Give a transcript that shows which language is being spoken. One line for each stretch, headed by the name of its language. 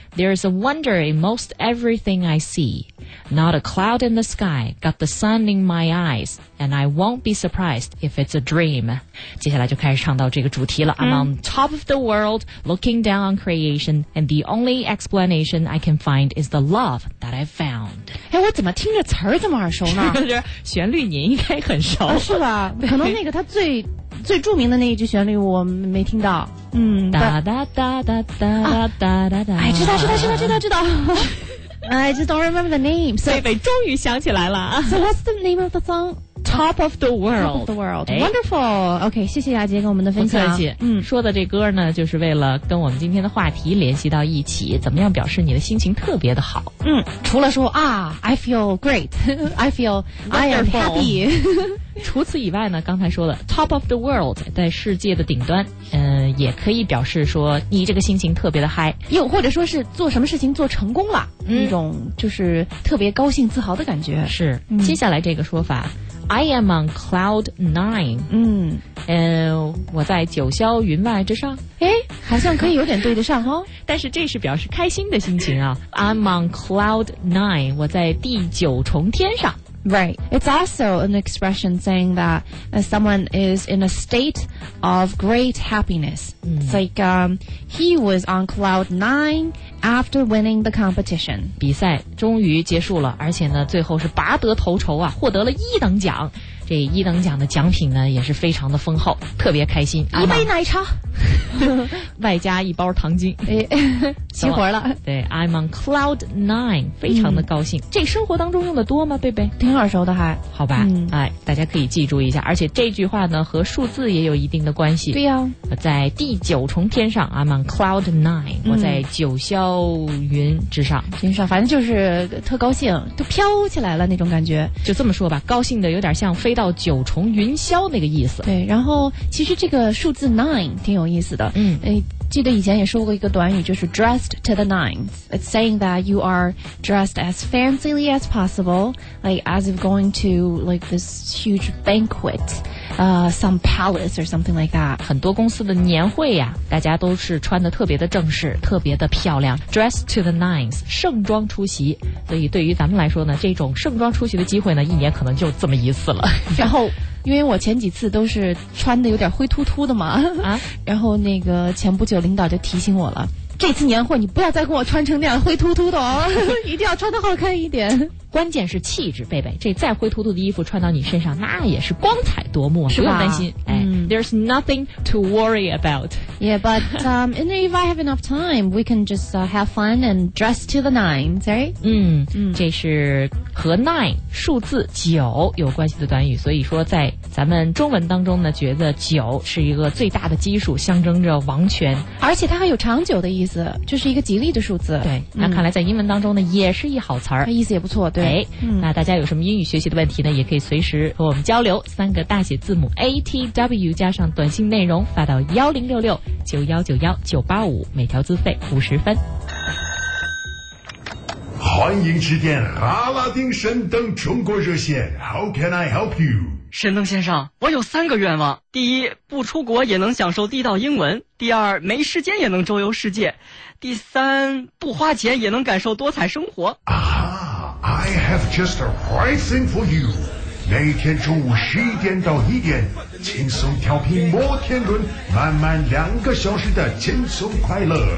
English: There is a wonder in most everything I see. Not a cloud in the sky, got the sun in my eyes, and I won't be surprised if it's a dream. 接下来就开始唱到这个主题了、嗯、I'm on top of the world, looking down on creation, and the only explanation I can find is the love that I've found.
Chinese: 哎，我怎么听着词儿这么耳熟呢？旋律你应该很熟、啊、是吧？可能那个他最著名的那一句旋律我没听到。嗯，哒哒哒哒哒哒哒哒哒。
English: 哎，知道。 I just don't remember the name.
Chinese: So, 妹妹终于想起来了。
English: So what's the name of the song? Top of the World. Top of the World. Wonderful.
Chinese: OK, 谢谢雅洁跟我们的分享。不客气。嗯，说的这歌呢，就是为了跟我们今天的话题联系到一起，怎么样表示你的心情特别的好。
English: 嗯，除了说啊 ,I feel great, I feel, I am happy.
Chinese: 除此以外呢，刚才说的 Top of the World, 在世界的顶端，也可以表示说你这个心情特别的嗨。又或者说是做什么事情做成功了。一种就是特别高兴自豪的感觉。
English: 是、嗯、接下来这个说法 I am on cloud nine。嗯，
Chinese: 我在九霄云外之上。诶，好像可以有点对得上哦。但是这是表示开心的心情啊。 I'm on cloud nine，我在第九重天上。
English: Right. It's also an expression saying that someone is in a state of great happiness、嗯、 It's like he was on cloud nineAfter winning the competition.
Chinese: 比赛终于结束了，而且呢最后是拔得头筹啊，获得了一等奖。这一等奖的奖品呢也是非常的丰厚，特别开心。一杯奶茶外加一包糖精。齐、哎、活了。对， I'm on cloud nine，非常的高兴、嗯、这生活当中用的多吗？贝贝挺耳熟的。还好吧、嗯、哎，大家可以记住一下。而且这句话呢和数字也有一定的关系。对呀、啊、在第九重天上， I'm on cloud nine、嗯、我在九霄云之上。天上反正就是特高兴，都飘起来了那种感觉。就这么说吧，高兴的有点像飞到九重云霄那个意思。对，然后其实这个数字 nine 挺有意思的。嗯，记得以前也说过一个短语，就是 dressed to the nines.
English: It's saying that you are dressed as fancily as possible, like as if going to like this huge banquet, some palace or something like that.
Chinese: 很多公司的年会呀，大家都是穿得特别的正式，特别的漂亮。
English: Dressed to the nines, 盛装出席。
Chinese: 所以对于咱们来说呢，这种盛装出席的机会呢，一年可能就这么一次了。然后因为我前几次都是穿的有点灰秃秃的嘛，啊，然后那个前不久领导就提醒我了，这次年会你不要再跟我穿成那样灰秃秃的哦，一定要穿得好看一点。关键是气质，贝贝，这再灰秃秃的衣服穿到你身上，那也是光彩夺目，是吧？不用担心，哎、嗯、
English: ，There's nothing to worry about. Yeah, but if I have enough time, we can just have fun and dress to the nines, right?
Chinese: 嗯，这是和 nine 数字九有关系的短语，所以说在咱们中文当中呢，觉得九是一个最大的基数，象征着王权，而且它还有长久的意思，就是一个吉利的数字。对，那看来在英文当中呢，也是一好词儿，意思也不错。对、哎嗯、那大家有什么英语学习的问题呢，也可以随时和我们交流。三个大写字母 ATW 加上短信内容发到1066-9191-985，每条资费50分。欢迎致电阿拉丁神灯中国热线， How can I help you？神灯先生，我有三个愿望。第一，不出国也能享受地道英文。第二，没时间也能周游世界。第三，不花钱也能感受多彩生活。
English: 啊，I have just the right thing for you.
Chinese: 每天中午11点到1点，轻松调频摩天轮，满满2个小时的轻松快乐。